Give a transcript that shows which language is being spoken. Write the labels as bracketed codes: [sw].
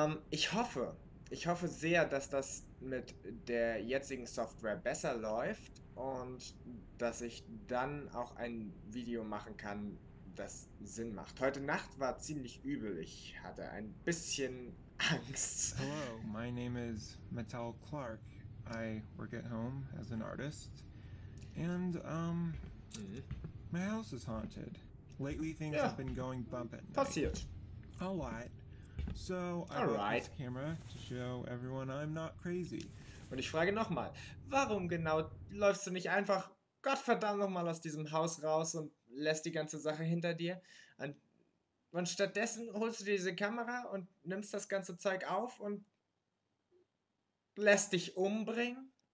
[de] Ich hoffe sehr, dass das mit der jetzigen Software besser läuft und dass ich dann auch ein Video machen kann, das Sinn macht. Heute Nacht war ziemlich übel. Ich hatte ein bisschen Angst. [en] Hello, my name is Mattel Clark. I work at home as an artist. And, my house is haunted. Lately, things have been going bump at night. [de] passiert. [en] A lot. So, I bought this Alright. camera to show everyone I'm not crazy. [de] Und ich frage nochmal, warum genau läufst du nicht einfach, Gottverdammt nochmal, aus diesem Haus raus und lässt die ganze Sache hinter dir? Und stattdessen holst du dir diese Kamera und nimmst das ganze Zeug auf und lässt dich umbringen?